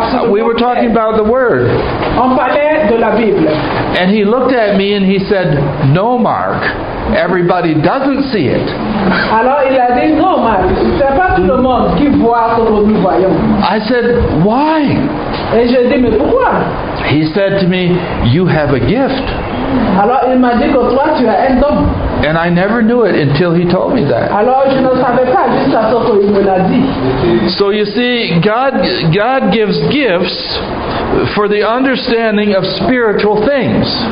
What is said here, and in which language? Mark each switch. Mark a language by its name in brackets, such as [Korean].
[English] We were talking about the Word. [French] On parlait de la Bible. [English] And he looked at me and he said, "No, Mark, everybody doesn't see it." [French] Alors il a dit, "No, Mark, c'est pas tout le monde qui voit ce que nous voyons." [English] I said, "Why?" [French] Et je dis, "Mais pourquoi?" [English] He said to me, "You have a gift." [French] Alors il m'a dit que toi tu as un don. [English] And I never knew it until he told me that. [French] Alors, je ne savais pas, juste à ce qu'il me l'a dit. [English] So you see, God gives gifts for the understanding of spiritual things.